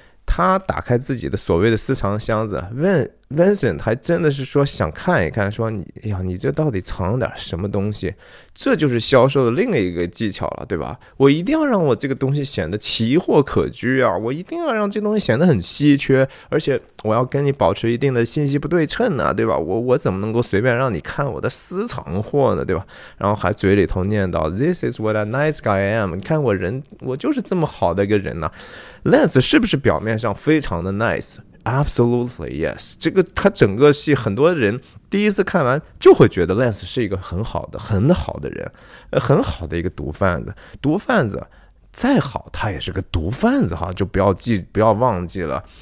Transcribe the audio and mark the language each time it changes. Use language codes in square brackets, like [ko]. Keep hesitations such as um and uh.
[zh] 他打开自己的所谓的私藏箱子，问。Vincent 还真的是说想看一看，说你，哎呀，你这到底藏了点什么东西？这就是销售的另一个技巧了，对吧？我一定要让我这个东西显得奇货可居啊！我一定要让这东西显得很稀缺，而且我要跟你保持一定的信息不对称呢、啊，对吧？我我怎么能够随便让你看我的私藏货呢，对吧？然后还嘴里头念叨：“ [en] This is what a nice guy、I、am。 [zh] ”你看我人，我就是这么好的一个人呢、啊。Lance 是不是表面上非常的 nice？ [en] Absolutely yes， [zh] 这个他整个戏很多人第一次看完就会觉得 Lens 是一个很好的、很好的人，呃，很好的一个毒贩子。毒贩子再好，他也是个毒贩子哈，就不要记，不要忘记了。